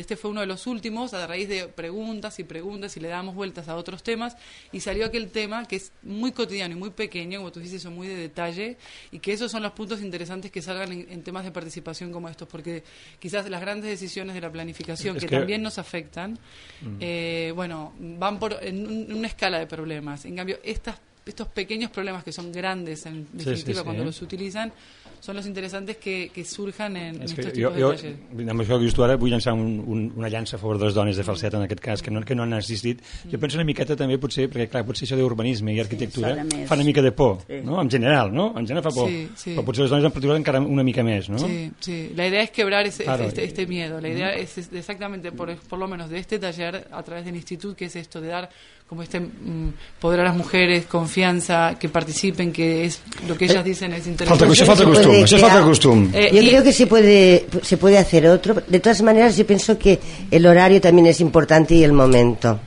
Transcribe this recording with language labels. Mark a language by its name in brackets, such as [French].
[Spanish] Este fue uno de los últimos, a raíz de preguntas y preguntas, y le dábamos vueltas a otros temas, y salió aquel tema que es muy cotidiano y muy pequeño, como tú dices, o muy de detalle, y que esos son los puntos interesantes que salgan en temas de participación como estos, porque quizás las grandes decisiones de la planificación, que también nos afectan, bueno, van por en una escala de problemas. En cambio, estos pequeños problemas que son grandes en definitiva, sí, cuando los utilizan, son los interesantes que surjan en estos tipus de talles. [Catalan] Amb això que dius tu ara, vull llançar una llança a favor de les dones de Falset, en aquest cas, que no han assistit. Jo penso una miqueta també, potser, perquè clar, potser això d'urbanisme i arquitectura fa una mica de por, no? En general, no? En general fa por. Sí. Però potser les dones en particular encara una mica més, no? [Spanish] Sí, sí. La idea és quebrar este miedo. La idea és exactamente, por lo menos, de este taller a través del institut, que es esto de dar como este poder a las mujeres, confianza, que participen, que es lo que ellas dicen es interesante. [Catalan] Falta costum. [Spanish] Yo creo que se puede hacer otro. De todas maneras, yo pienso que el horario también es importante y el momento.